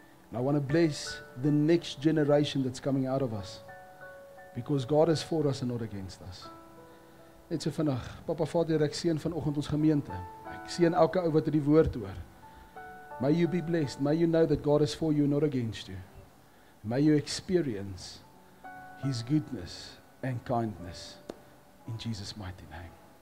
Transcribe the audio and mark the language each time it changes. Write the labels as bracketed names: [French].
[English] And I want to bless the next generation that's coming out of us. Because God is for us and not against us. [Afrikaans] Net so vinnig, Papa Vader, ek seën vanoggend ons gemeente. Ek seën elke ou wat hierdie woord hoor. [English] May you be blessed. May you know that God is for you, not against you. May you experience His goodness and kindness in Jesus' mighty name.